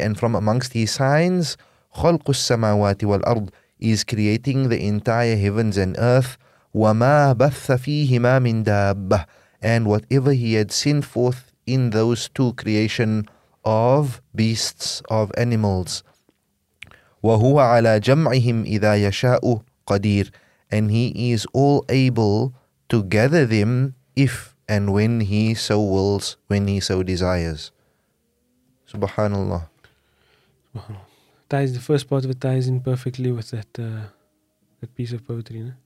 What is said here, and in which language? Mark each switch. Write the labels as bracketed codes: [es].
[en] And from amongst His signs, [ar] خلق السماوات والأرض, [en] is creating the entire heavens and earth. [ar] وما بث فيهما من دابة. [en] And whatever He had sent forth in those two creation of beasts, of animals. [ar] وهو على جمعهم إذا يشاء قدير. [en] And He is all able to gather them if and when He so wills, when He so desires. SubhanAllah. SubhanAllah. Ties, the first part of it ties in perfectly with that that piece of poetry, no?